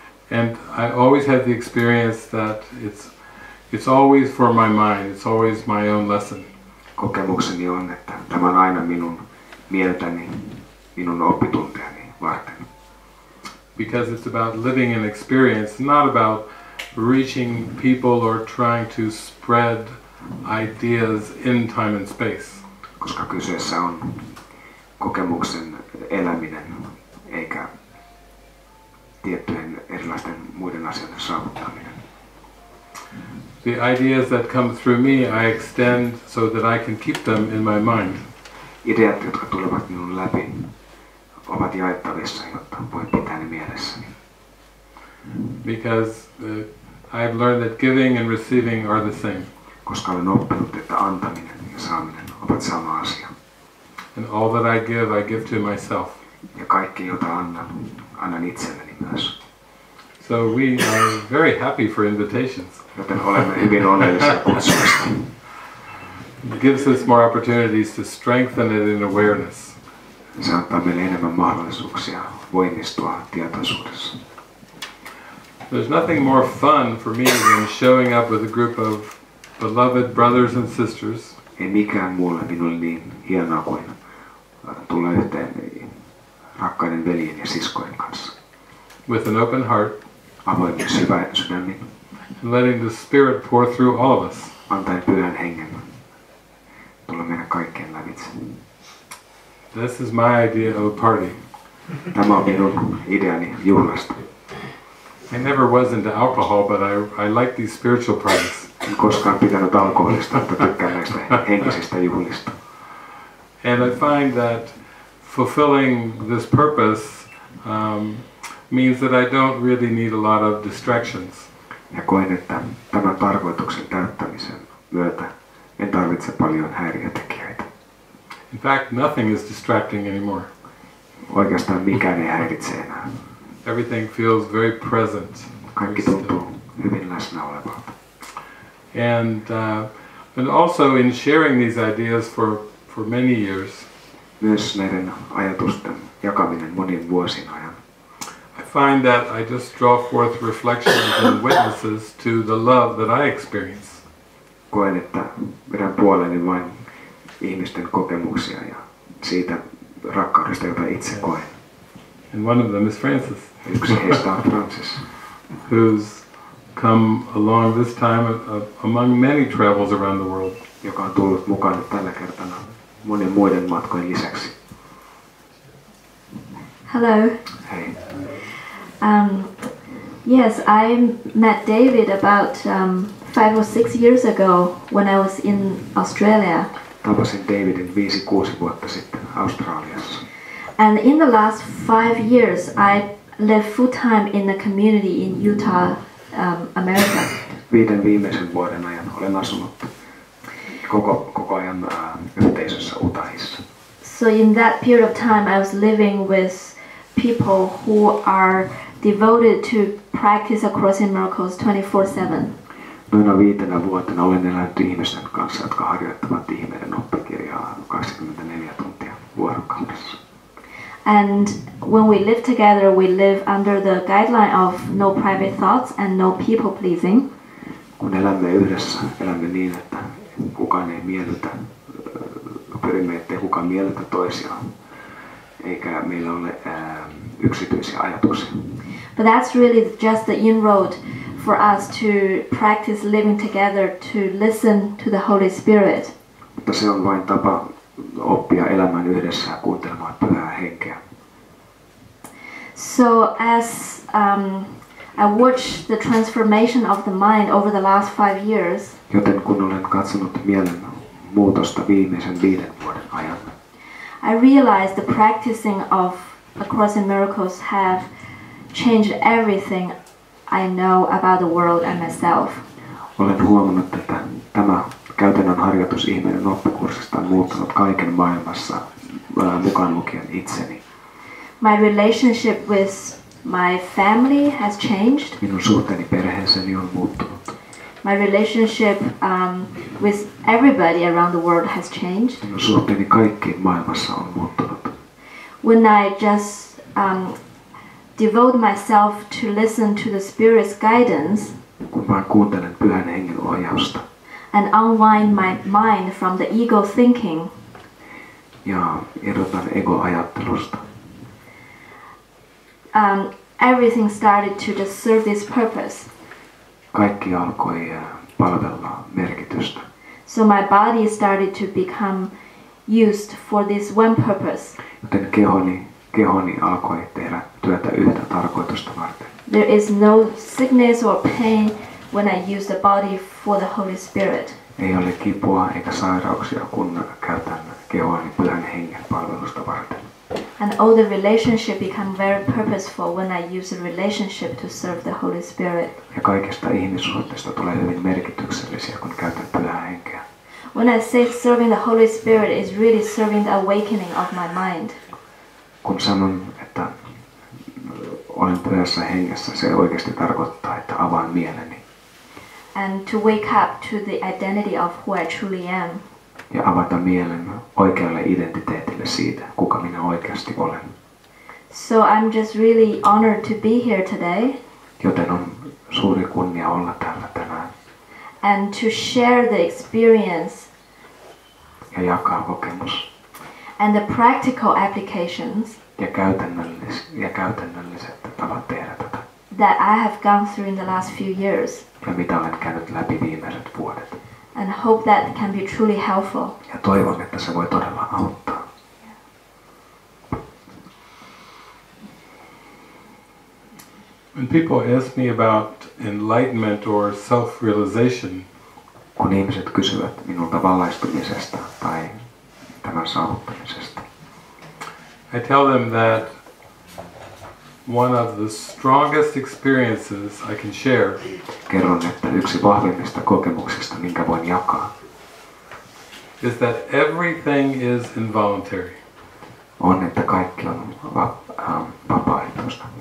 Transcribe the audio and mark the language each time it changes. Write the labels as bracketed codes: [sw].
[en] And I always have the experience that it's always for my mind, it's always my own lesson. [fi] Kokemukseni on, että tämä on aina minun mieltäni, minun oppitunteeni varten. [en] Because it's about living an experience, not about reaching people or trying to spread ideas in time and space. [fi] Koska kyseessä on kokemuksen eläminen, eikä tiettyjen erilaisten muiden asioiden saavuttaminen. [en] The ideas that come through me, I extend so that I can keep them in my mind. [fi] Ideat, jotka tulevat minun läpi, ovat jaettavissa, jotta voi pitää ne mielessäni. [en] Because I've learned that giving and receiving are the same. [fi] Koska olen oppinut, että antaminen ja saaminen ovat sama asia. [en] And all that I give to myself. [fi] Ja kaikki, jota annan, annan itselleni myös. [en] So we are very happy for invitations. [fi] Joten olemme hyvin onnellisia kutsuista. [en] It gives us more opportunities to strengthen it in awareness. [fi] Se antaa meille enemmän mahdollisuuksia voimistua tietoisuudessa. [en] There's nothing more fun for me than showing up with a group of beloved brothers and sisters. [fi] Ei mikään muulla minulle niin hienoa kuin tulla yhteen rakkaiden veljen ja siskojen kanssa. [en] With an open heart. [fi] Avoimeksi hyvän sydämin. [en] And letting the Spirit pour through all of us. [fi] Antaen Pyhän Hengen tulla meidän kaikkien lävitse. [en] This is my idea of a party. [fi] Tämä on minun ideani juhlasta. [en] I never was into alcohol, but I like these spiritual parties. [fi] En koskaan pitänyt alkoholista, mutta tykkään näistä henkisistä juhlista. [en] And I find that fulfilling this purpose means that I don't really need a lot of distractions. [fi] Ja koen, että tämän tarkoituksen täyttämisen myötä en tarvitse paljon häiriötekijöitä. [en] In fact, nothing is distracting anymore. [fi] Oikeastaan mikään ei häiritse enää. [en] Everything feels very present. [fi] Kaikki tuntuu hyvin läsnä olevalta. [en] And also in sharing these ideas for many years. [fi] Myös näiden ajatusten jakaminen monien vuosien ajan. [en] I find that I just draw forth reflections and witnesses to the love that I experience. [fi] Koen, että vedän puoleeni vain ihmisten kokemuksia ja siitä rakkaudesta, jota itse koen. [en] And one of them is Francis. [fi] Yksi heistä on Francis. [en] Who's come along this time among many travels around the world. [fi] Joka on tullut mukana tällä kertana monen muiden matkojen lisäksi. [en] Hello. Hey. Yes, I met David about 5 or 6 years ago when I was in Australia. [fi] Tapasin Davidin 5-6 vuotta sitten Australiassa. [en] And in the last 5 years, I lived full-time in a community in Utah, America. [fi] 5 viimeisen vuoden ajan olen asunut koko ajan yhteisössä Utahissa. [en] So in that period of time, I was living with people who are devoted to practice A Course in Miracles 24/7. [fi] Noina 5 vuotena olen elänyt ihmisten kanssa, jotka harjoittavat ihmeiden oppikirjaa 24 tuntia vuorokaudessa. [en] And when we live together, we live under the guideline of no private thoughts and no people pleasing. [fi] Kun elämme yhdessä, elämme niin, että kukaan ei miellytä, pyrimme, ettei kukaan miellytä toisiaan, eikä meillä ole yksityisiä ajatuksia. [en] But that's really just the inroad for us to practice living together, to listen to the Holy Spirit. [fi] Mutta se on vain tapa oppia elämään yhdessä ja kuuntelemaan Pyhää Henkeä. [en] So as I watched the transformation of the mind over the last 5 years. [fi] Joten kun olen katsonut mielen muutosta viimeisen 5 vuoden ajan. [en] I realized the practicing of A Course in Miracles have changed everything I know about the world and myself. [fi] Olen huomannut, että tämä käytännön harjoitus ihmeiden oppikurssista on muuttanut kaiken maailmassa, mukaan lukien itseni. [en] My relationship with my family has changed. [fi] Minun suhteeni perheeseeni on muuttunut. [en] My relationship with everybody around the world has changed. [fi] Minun suhteeni kaikkiin maailmassa on muuttunut. [en] When I just devote myself to listen to the Spirit's guidance, [fi] kun vaan kuuntelen Pyhän Hengen ohjausta, [en] and unwind my mind from the ego thinking, [fi] ja erotan ego-ajattelusta, [en] Everything started to just serve this purpose. [fi] Kaikki alkoi palvella merkitystä. [en] So my body started to become used for this one purpose. [fi] Joten kehoni alkoi tehdä työtä yhtä tarkoitusta varten. [en] There is no sickness or pain when I use the body for the Holy Spirit. [fi] Ei ole kipua eikä sairauksia, kun käytän kehoani Pyhän Hengen palvelusta varten. [en] And all the relationship become very purposeful when I use the relationship to serve the Holy Spirit. [fi] Ja kaikista ihmissuhteista tulee hyvin merkityksellisiä, kun käytän Pyhää Henkeä. [en] When I say serving the Holy Spirit is really serving the awakening of my mind. [fi] Kun sanon, että olen Pyhässä Hengessä, se oikeasti tarkoittaa, että avaan mieleni. [en] And to wake up to the identity of who I truly am. [fi] Ja avata mielen oikealle identiteetille siitä, kuka minä oikeasti olen. [en] So I'm just really honored to be here today. [fi] Joten on suuri kunnia olla täällä tänään. [en] And to share the experience. [fi] Ja jakaa kokemus. [en] And the practical applications. [fi] Ja käytännölliset tavat tehdä tätä. [en] That I have gone through in the last few years. [fi] Ja mitä olen käynyt läpi viimeiset vuodet. [en] And hope that can be truly helpful. [fi] Ja toivon, että se voi todella auttaa. [en] When people ask me about enlightenment or self-realization, [fi] kun ihmiset kysyvät minulta valaistumisesta tai tämän saavuttamisesta, [en] I tell them that one of the strongest experiences I can share. [fi] Kerron, että yksi vahvimmista kokemuksista, minkä voin jakaa, [en] is that everything is involuntary. [fi] On, että kaikki on vapaaehtoista.